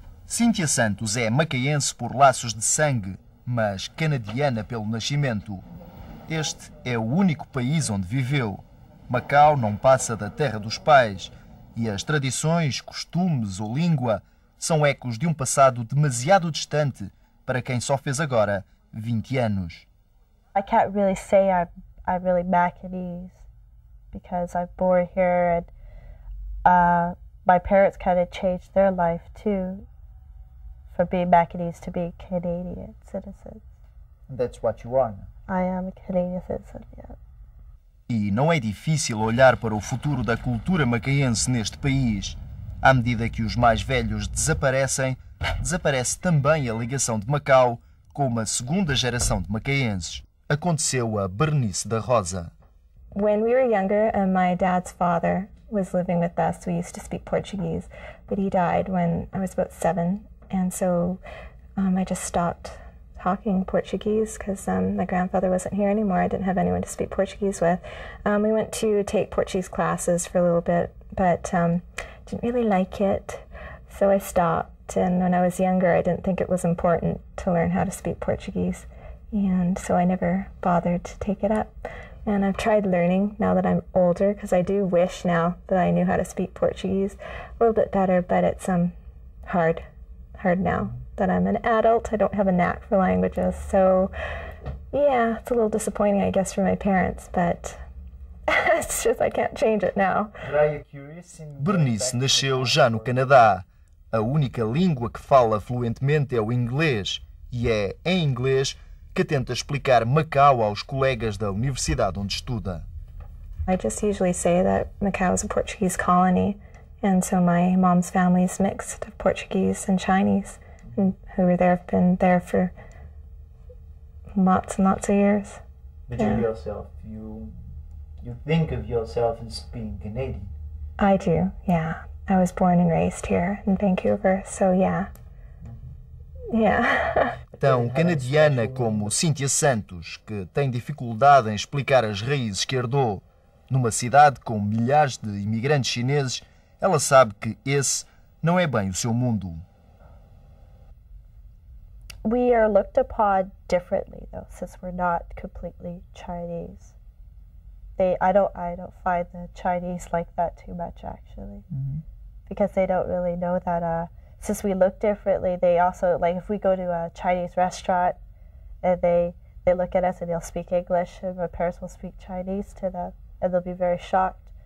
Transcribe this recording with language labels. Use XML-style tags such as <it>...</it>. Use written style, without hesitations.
<pt>Cíntia Santos é macaense por laços de sangue, mas canadiana pelo nascimento. Este é o único país onde viveu. Macau não passa da terra dos pais e as tradições, costumes ou língua são ecos de um passado demasiado distante para quem só fez agora 20 anos.</pt> <en>I can't really say I'm really Macanese because I'm born here and my parents kind of changed their life too. For being Macanese to be Canadian citizens. And that's what you are. I am a Canadian citizen, yeah.</en> <pt>E não é difícil olhar para o futuro da cultura macaense neste país. À medida que os mais velhos desaparecem, desaparece também a ligação de Macau com uma segunda geração de macaenses. Aconteceu a Bernice da Rosa.</pt> <en>When we were younger, my dad's father was living with us. We used to speak Portuguese, but he died when I was about 7. And so I just stopped talking Portuguese because my grandfather wasn't here anymore. I didn't have anyone to speak Portuguese with. We went to take Portuguese classes for a little bit, but didn't really like it. So I stopped. And when I was younger, I didn't think it was important to learn how to speak Portuguese. And so I never bothered to take it up. And I've tried learning now that I'm older because I do wish now that I knew how to speak Portuguese a little bit better, but it's hard. Hard now that I'm an adult. I don't have a knack for languages, so yeah, it's a little disappointing, I guess, for my parents, but it's just I can't change it now.</en> <pt>Bernice nasceu já no Canadá. A única língua que fala fluentemente é o inglês, e é em inglês que tenta explicar Macau aos colegas da universidade onde estuda.</pt> <en>I just usually say that Macau is a Portuguese colony. And so my mom's family is mixed of Portuguese and Chinese, and who were there have been there for lots and lots of years. But yeah. you think of yourself as being Canadian. I do, yeah. I was born and raised here in Vancouver, so yeah. Yeah.</en> <pt>Tão canadiana como Cíntia Santos, que tem dificuldade em explicar as raízes que herdou, numa cidade com milhares de imigrantes chineses. Ela sabe que esse não é bem o seu mundo.</pt> <en>We are looked upon differently, though, since we're not completely Chinese. I don't find the Chinese like that too much, actually, because they don't really know that. Since we look differently, they also like if we go to a Chinese restaurant, and they look at us and they'll speak English, and my parents will speak Chinese to them, and they'll be very shocked.</en>